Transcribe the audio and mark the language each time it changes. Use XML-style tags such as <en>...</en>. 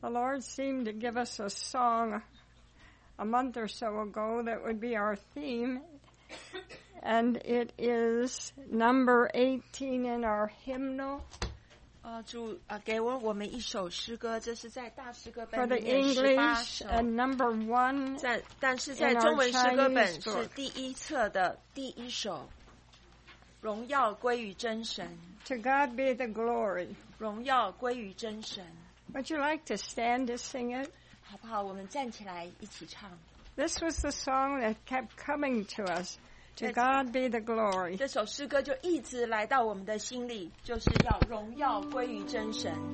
<en>The Lord seemed to give us a song a month or so ago that would be our theme. And it is number 18 in our hymnal.</en> <zh>主给我们一首诗歌，这是在大诗歌本里面</zh> <en>For the English and number one.</en> <zh>但是在中文诗歌本是第一册的第一首。荣耀归于真神。</zh> <en>To God be the glory.</en> <zh>荣耀归于真神。</zh> <en>Would you like to stand to sing it?</en> <zh>好不好？我们站起来一起唱。</zh> <en>This was the song that kept coming to us. To God be the glory.</en> <zh>这首诗歌就一直来到我们的心里，就是要荣耀归于真神。</zh>